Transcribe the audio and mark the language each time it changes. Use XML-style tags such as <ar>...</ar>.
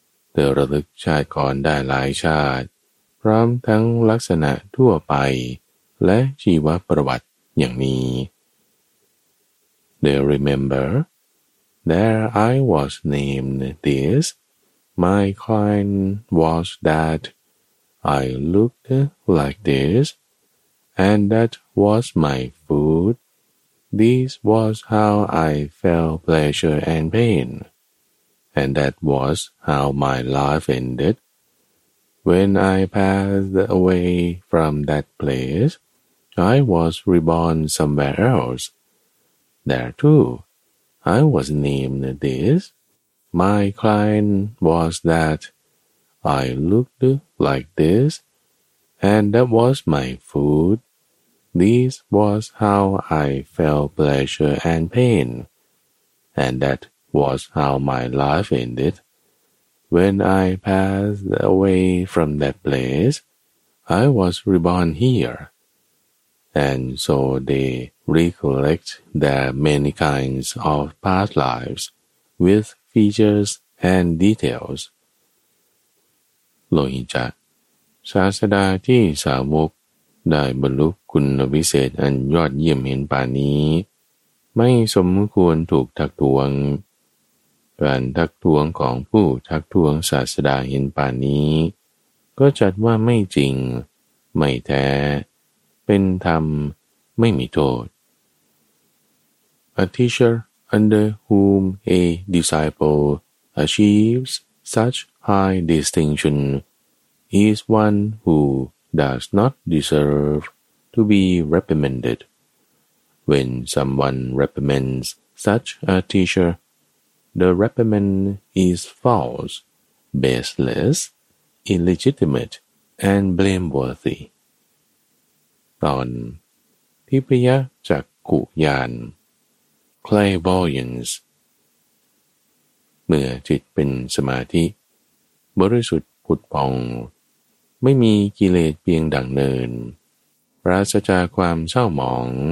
<th>เธอระลึกชาติก่อนได้หลายชาติพร้อมทั้งลักษณะทั่วไปและชีวประวัติอย่างนี้</th> <en>They remember there I was named this, my kind was that, I looked like this, and that was my food. This was how I felt pleasure and pain, and that was how my life ended. When I passed away from that place, I was reborn somewhere else. There too, I was named this. My client was that. I looked like this, and that was my food. This was how I felt pleasure and pain, and that was how my life ended. When I passed away from that place, I was reborn here. And so they recollect their many kinds of past lives with features and details.</en> <th>Lohicca, ศาสดาที่สาวกได้บรรลุคุณวิเศษอันยอดเยี่ยมเห็นป่านี้ไม่สมควรถูกทักท้วง การทักท้วงของผู้ทักท้วงศาสดาเห็นป่านี้ก็จัดว่าไม่จริงไม่แท้เป็นธรรมไม่มีโทษ</th> <en>A teacher under whom a disciple achieves such high distinction is one who does not deserve to be reprimanded. When someone reprimands such a teacherThe reprimand is false, baseless, illegitimate, and blameworthy.</en> <th>ตอนทิพยจักขุญาณ Clairvoyance เมื่อจิตเป็นสมาธิบริสุทธิ์ผุดผ่องไม่มีกิเลสเพียงดั่งเนินปราศจากความเศร้าหมอง</th>